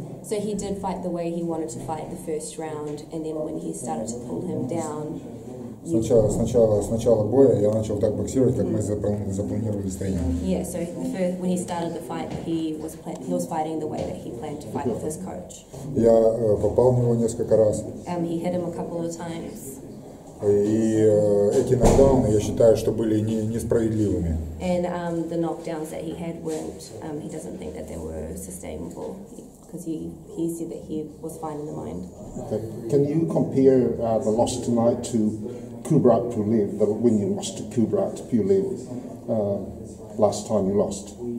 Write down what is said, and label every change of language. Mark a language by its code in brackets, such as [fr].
[en] So he did fight the way he wanted to fight the first round, and then when he started to pull him down. [ru] Сначала боя я начал так боксировать, как мы запланировали с тренером. [en] Yeah, so when he started the fight, he was fighting the way that he planned to fight with his coach. [ru] Я попал в него несколько раз. [en] He hit him a couple of times. [ru] И эти нокдауны, я считаю, что были несправедливыми. [en] And the knockdowns that he had weren't, he doesn't think that they were sustainable. Because he said that he was fine in the mind. Can you compare the loss tonight to Kubrat Pulev, when you lost to Kubrat Pulev last time you lost?